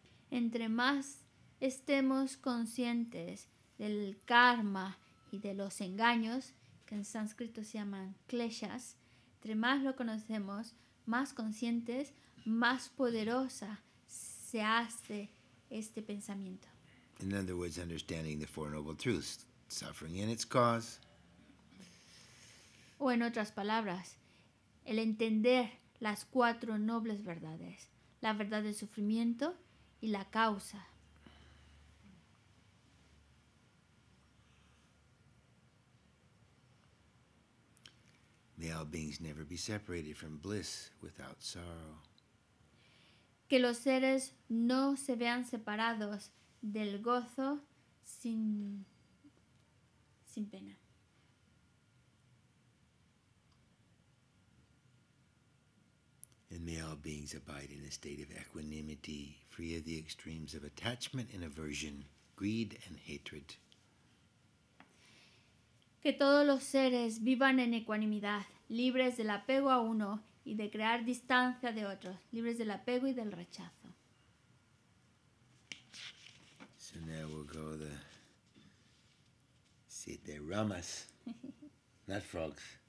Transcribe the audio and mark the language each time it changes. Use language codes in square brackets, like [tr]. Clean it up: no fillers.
[es] Entre más estemos conscientes del karma y de los engaños, que en sánscrito se llaman kleshas, entre más lo conocemos, más conscientes, más poderosa se hace este pensamiento. [en] In other words, understanding the Four Noble Truths, suffering and its cause. [es] O en otras palabras, el entender las cuatro nobles verdades, la verdad del sufrimiento y la causa. [en] May all beings never be separated from bliss without sorrow. [es] Que los seres no se vean separados del gozo sin pena. [en] And may all beings abide in a state of equanimity, free of the extremes of attachment and aversion, greed and hatred. [es] Que todos los seres vivan en ecuanimidad, libres del apego a uno y de crear distancia de otros, libres del apego y del rechazo. [en] So now we'll go the see the ramas, not frogs.